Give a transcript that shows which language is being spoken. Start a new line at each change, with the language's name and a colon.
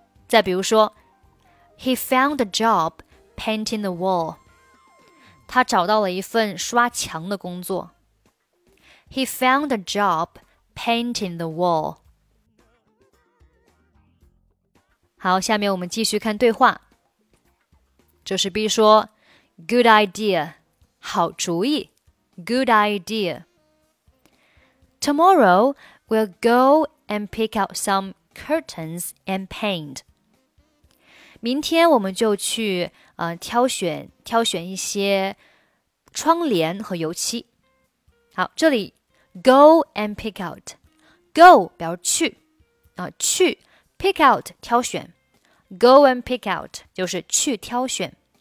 Chinese: 再比如说
English: He found a job painting the wall.
Chinese: 他找到了一份刷墙的工作。
English: He found a job painting the wall.
Chinese: 好，下面我们继续看对话。这是 B 说 ,
English: Good idea,
Chinese: 好主意 ,Good idea.
English: Tomorrow, we'll go and pick out some curtains and paint.
Chinese: 明天我们就去、挑选一些窗帘和油漆。好，这里
English: go and pick out.
Chinese: Go 表示去、去
English: pick out
Chinese: 挑选。
English: Go and pick out
Chinese: 就是去挑选。